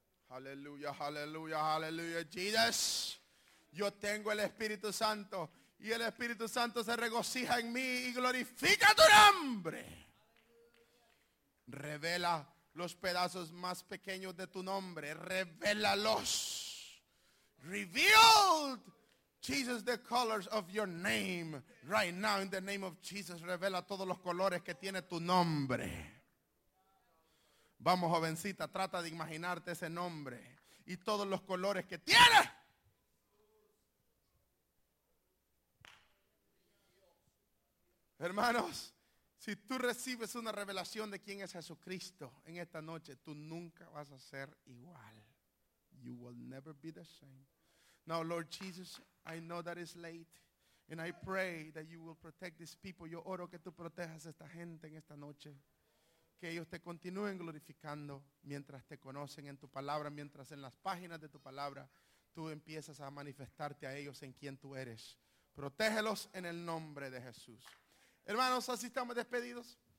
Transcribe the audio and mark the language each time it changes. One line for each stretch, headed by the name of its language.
Spanish: Aleluya, aleluya, aleluya. Jesús, yo tengo el Espíritu Santo y el Espíritu Santo se regocija en mí y glorifica tu nombre. Revela los pedazos más pequeños de tu nombre. Revélalos.
English: Revealed. Jesus, the colors of your name. Right now, in the name of Jesus,
Spanish: revela todos los colores que tiene tu nombre. Vamos, jovencita, trata de imaginarte ese nombre y todos los colores que tiene. Hermanos, si tú recibes una revelación de quién es Jesucristo en esta noche, tú nunca vas a ser igual.
English: You will never be the same. Now, Lord Jesus, I know that it's late, and I pray that you will protect these people.
Spanish: Yo oro que tú protejas a esta gente en esta noche, que ellos te continúen glorificando mientras te conocen en tu palabra, mientras en las páginas de tu palabra tú empiezas a manifestarte a ellos en quien tú eres. Protégelos en el nombre de Jesús. Hermanos, así estamos despedidos.